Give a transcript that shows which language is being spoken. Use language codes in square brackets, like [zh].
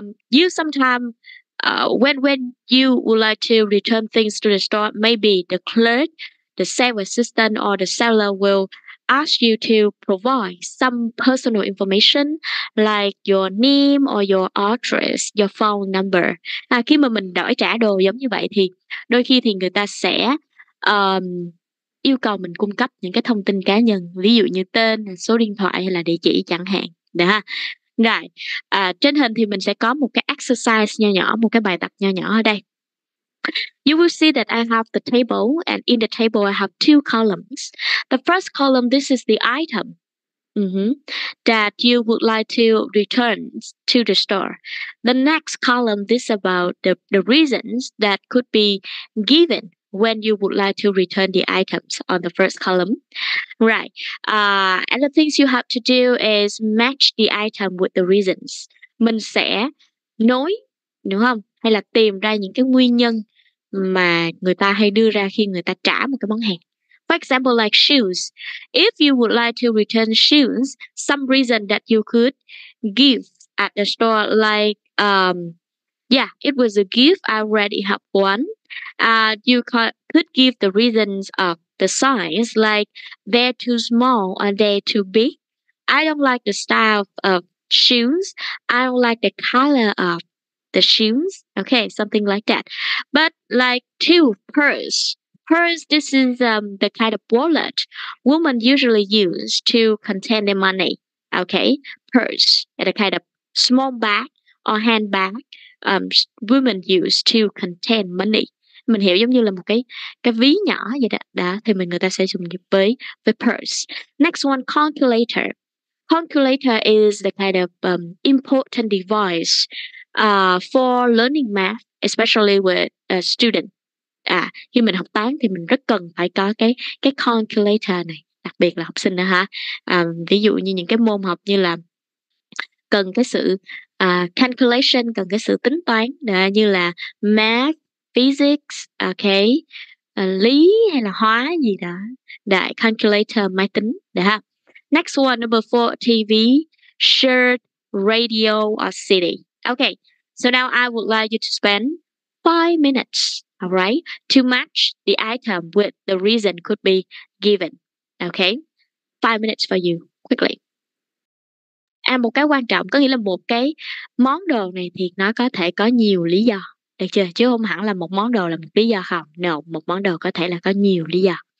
[en] You sometimes when you would like to return things to the store, maybe the clerk, the sales assistant, or the seller will ask you to provide some personal information like your name or your address, your phone number. [vi] Khi mà mình đổi trả đồ giống như vậy thì đôi khi thì người ta sẽ yêu cầu mình cung cấp những cái thông tin cá nhân, ví dụ như tên, số điện thoại hay là địa chỉ chẳng hạn. Đã, Rồi, trên hình thì mình sẽ có một cái exercise nhỏ nhỏ, một cái bài tập nhỏ nhỏ ở đây. [en] You will see that I have the table, and in the table I have two columns. The first column, this is the item that you would like to return to the store. The next column, this is about the reasons that could be given when you would like to return the items on the first column. Right. And the things you have to do is match the item with the reasons. [vi] Mình sẽ nói, đúng không? Hay là tìm ra những cái nguyên nhân mà người ta hay đưa ra khi người ta trả một cái món hàng. [en] For example, like shoes. If you would like to return shoes, some reason that you could give at the store, like, it was a gift, I already have one. You could give the reasons of the size, like they're too small or they're too big. I don't like the style of shoes. I don't like the color of the shoes. Okay, something like that. But like two purse, this is the kind of wallet women usually use to contain their money. Okay, purse, it's a kind of small bag or handbag women use to contain money. [vi] Mình hiểu giống như là một cái ví nhỏ vậy đó. Đó, thì mình người ta sẽ dùng với purse. [en] Next one, calculator. Calculator is the kind of important device for learning math, especially with a student. [vi] À, khi mình học toán thì mình rất cần phải có cái calculator này, đặc biệt là học sinh đó ha. Ví dụ như những cái môn học như là cần cái sự calculation, cần cái sự tính toán đó, như là math, physics, okay, lý hay là hóa gì đó. Đại calculator, máy tính, đó ha. [en] Next one, number four, TV, shirt, radio, or CD. Okay, so now I would like you to spend 5 minutes, all right, to match the item with the reason could be given. Okay, 5 minutes for you, quickly. [vi] À, một cái quan trọng có nghĩa là một cái món đồ này thì nó có thể có nhiều lý do. Được chưa? Chứ không hẳn là một món đồ là một lý do không. No, một món đồ có thể là có nhiều lý do.